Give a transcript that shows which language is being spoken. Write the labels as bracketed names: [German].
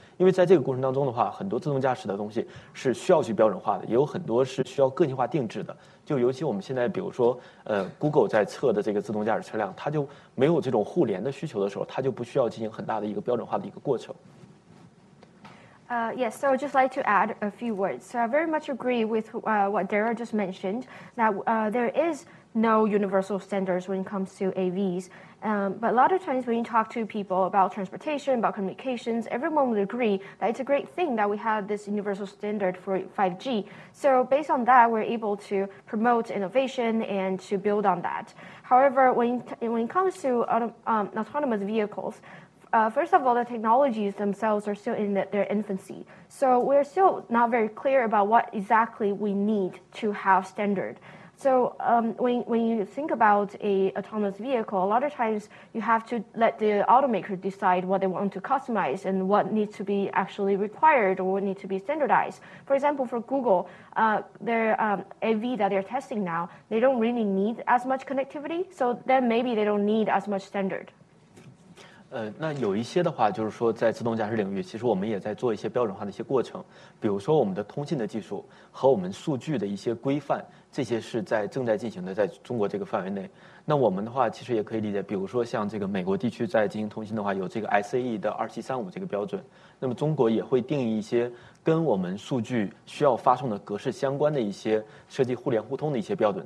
[Chinese] 因为在这个过程当中的话，很多自动驾驶的东西是需要去标准化的，也有很多是需要个性化定制的。就尤其我们现在比如说Google 在测的这个自动驾驶车辆，它就没有这种互联的需求的时候，它就不需要进行很大的一个标准化的一个过程。 [English] Yes, so I'd just like to add a few words. So I very much agree with what Dara just mentioned, that there is no universal standards when it comes to AVs. But a lot of times when you talk to people about transportation, about communications, everyone would agree that it's a great thing that we have this universal standard for 5G. So based on that, we're able to promote innovation and to build on that. However, when it comes to autonomous vehicles, first of all, the technologies themselves are still in their infancy. So we're still not very clear about what exactly we need to have standard. So when you think about a autonomous vehicle, a lot of times you have to let the automaker decide what they want to customize and what needs to be actually required or what needs to be standardized. For example, for Google, their AV that they're testing now, they don't really need as much connectivity, so then maybe they don't need as much standard. [Chinese] 那有一些的话就是说在自动驾驶领域其实我们也在做一些标准化的一些过程，比如说我们的通信的技术和我们数据的一些规范，这些是在正在进行的在中国这个范围内。那我们的话其实也可以理解，比如说像这个美国地区在进行通信的话有这个 SAE 的2735这个标准，那么中国也会定义一些跟我们数据需要发送的格式相关的一些设计互联互通的一些标准。